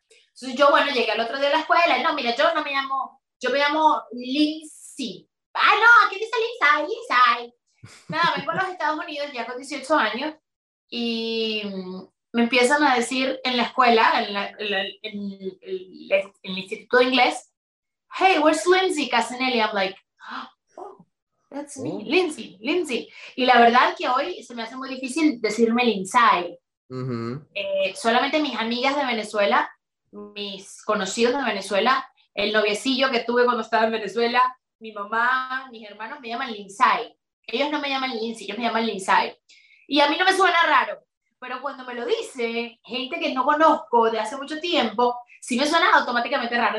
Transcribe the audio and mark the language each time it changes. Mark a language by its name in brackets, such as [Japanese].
[Spanish] Entonces yo, bueno, llegué al otro día a la escuela, y no, mira, yo no me llamo, yo me llamo Lindsay. Sí. Ah, no, aquí dice Lindsay. Nada, me voy a los Estados Unidos ya con 18 años y me empiezan a decir en la escuela, en el Instituto de Inglés, [English] hey, where's Lindsay Casinelli? I'm like, oh, that's me, Lindsay. [Spanish] Y la verdad que hoy se me hace muy difícil decirme Lindsay. Uh-huh. Solamente mis amigas de Venezuela, mis conocidos de Venezuela, el noviecillo que tuve cuando estaba en Venezuela, mi mamá, mis hermanos me llaman Lindsay. Ellos no me llaman Lindsay, ellos me llaman Lindsay. Y a mí no me suena raro, pero cuando me lo dice gente que no conozco de hace mucho tiempo, sí me suena automáticamente raro.